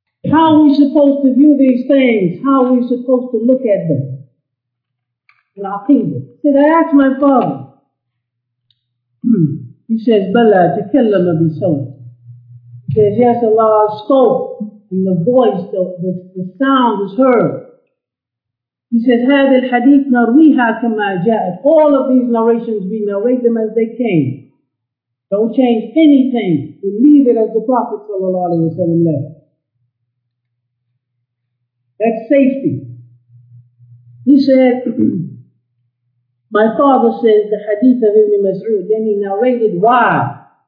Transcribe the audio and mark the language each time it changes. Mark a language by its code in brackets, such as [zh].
[en] How are we supposed to view these things? How are we supposed to look at them? In Aqeedah. Said, I asked my father. He says, Bala, [ar] تكلم بصوت. [en] He says, yes, Allah spoke. And the voice, the sound is heard. He says, [ar] هذا الحديث نرويها كما جاءت. [en] All of these narrations, we narrate them as they came. Don't change anything. We leave it as the Prophet ﷺ left. That's safety. He said, my father says the hadith of Ibn Mas'ud, then he narrated why.